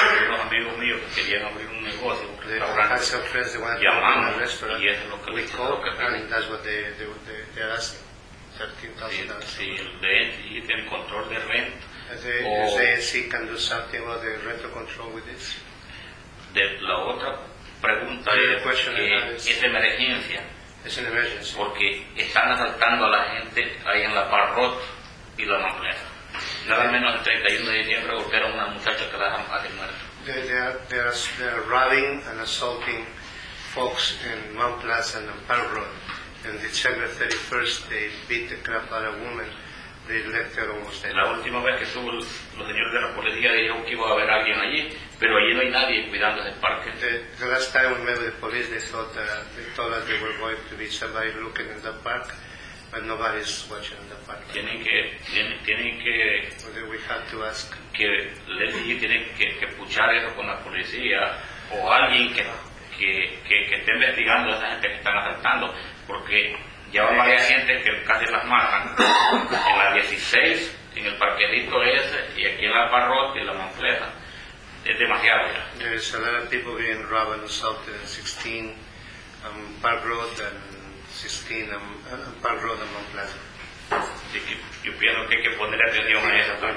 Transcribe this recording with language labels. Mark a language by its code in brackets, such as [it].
[es] Los amigos míos que querían abrir un negocio, un restaurante. [en] They have some friends that want to open a restaurant. Yes, we call and that's what they are asking. $13,000. [es] Si el ANC tiene control de renta. [en] The ANC can do something about the rental control with this. [es] De la otra. Pregunta es emergencia. Es una emergencia. Porque están asaltando a la gente ahí en la Parrot y la Mampleta. Nada menos el 31 de diciembre golpearon a una muchacha que la han casi muerta. [en] They are robbing and assaulting folks in Mount Pleasant and Parrot. On December 31st, they beat the crap out of a woman. They left her almost dead. [es] La última vez que estuvo los señores de la policía dijeron que iba a haber alguien allí. Pero allí no hay nadie cuidando el parque. [en] The last time we met with the police, they told us they were going to be somebody looking in the park, but nobody's watching in the park. [es] Tienen que. [en] So then we have to ask. [es] Que Leslie tiene que puchar eso con la policía o alguien que esté investigando a esa gente que están asaltando, porque ya va varias gente que casi las matan en la 16, en el parquecito ese y aquí en la Parrot y la Manfleta. [en] There is a lot of people being robbed and assaulted in 16 Park Road and 16 Park Road and Mount Pleasant. [es] Yo pienso que hay que poner atención a eso también.